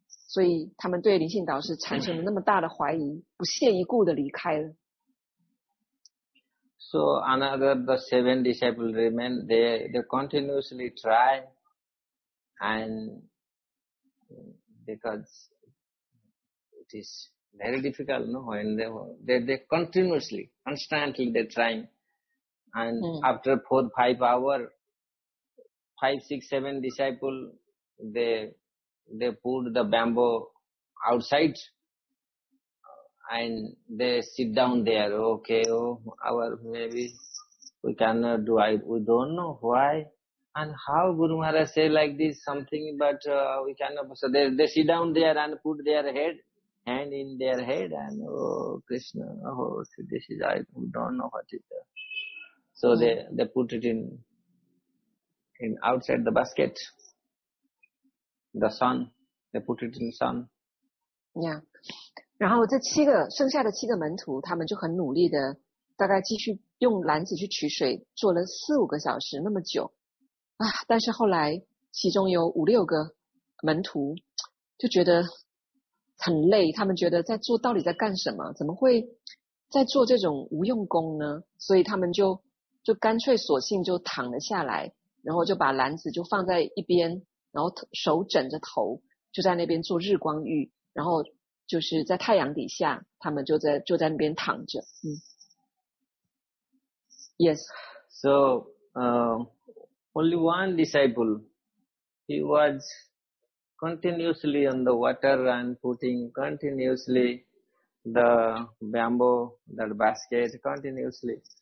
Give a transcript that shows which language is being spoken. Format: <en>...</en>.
<zh>所以他们对灵性导师产生了那么大的怀疑，不屑一顾的离开了。</zh> <en>So another the 7 disciples remain, they continuously try, and because it is very difficult, no? When they constantly they're trying. And after 4-5 hours, 5-7 disciples, they put the bamboo outside and they sit down there. Okay, maybe we cannot do it. We don't know why and how Guru Maharaj say like this something, but we cannot. So they sit down there and put their hand in their head and, we don't know what is there. So they put it in outside the basket. The sun, they put it in sun. Yeah.</en> <zh>然后这七个剩下的七个门徒，他们就很努力的，大概继续用篮子去取水，做了4-5个小时那么久啊。但是后来，其中有5-6个门徒就觉得很累，他们觉得在做到底在干什么？怎么会在做这种无用功呢？所以他们就干脆索性就躺了下来，然后就把篮子就放在一边，然后手枕着头就在那边做日光浴，然后。就是在太阳底下，他们就在那边躺着。</zh> <en>嗯、yes. So, only one disciple, he was continuously on the water and putting continuously the bamboo, that basket continuously.</en>